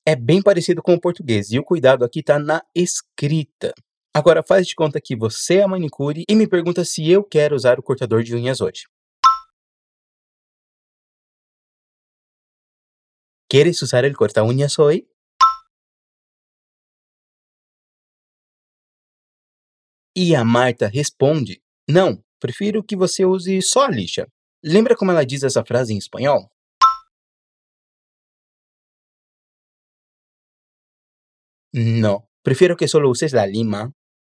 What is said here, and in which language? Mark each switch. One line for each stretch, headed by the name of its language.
Portuguese: É bem parecido com o português e o cuidado aqui está na escrita. Agora, faz de conta que você é a manicure e me pergunta se eu quero usar o cortador de unhas hoje.
Spanish: ¿Quieres usar el corta-unhas hoy?
Portuguese: E a Marta responde, não, prefiro que você use só a lixa. Lembra como ela diz essa frase em espanhol?
Spanish: No, prefiero que solo uses la lima.